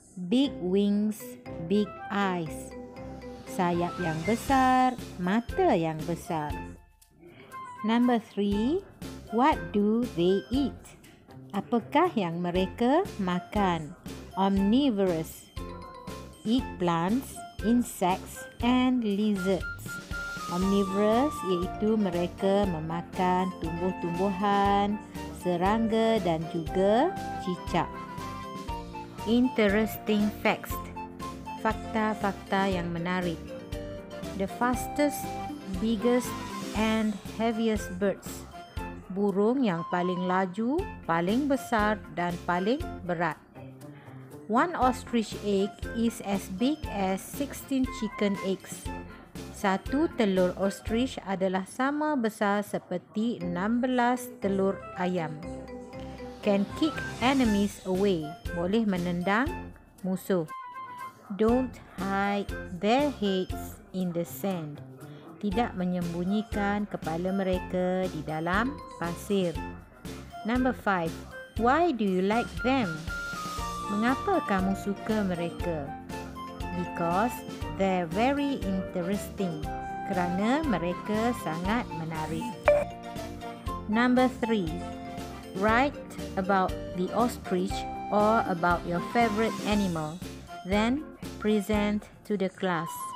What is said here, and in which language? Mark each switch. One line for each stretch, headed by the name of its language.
English: Big wings, big eyes.
Malay: Sayap yang besar, mata yang besar.
English: Number 3. What do they eat?
Malay: Apakah yang mereka makan?
English: Omnivorous. Eat plants, insects and lizards.
Malay: Omnivorous iaitu mereka memakan tumbuh-tumbuhan, serangga dan juga cicak.
English: Interesting facts.
Malay: Fakta-fakta yang menarik.
English: The fastest, biggest and heaviest birds.
Malay: Burung yang paling laju, paling besar dan paling berat.
English: One ostrich egg is as big as 16 chicken eggs.
Malay: Satu telur ostrich adalah sama besar seperti 16 telur ayam.
English: Can kick enemies away.
Malay: Boleh menendang musuh.
English: Don't hide their heads in the sand.
Malay: Tidak menyembunyikan kepala mereka di dalam pasir.
English: Number 5. Why do you like them?
Malay: Mengapa kamu suka mereka?
English: Because they're very interesting.
Malay: Kerana mereka sangat menarik.
English: Number 3. Write about the ostrich or about your favorite animal. Then present to the class.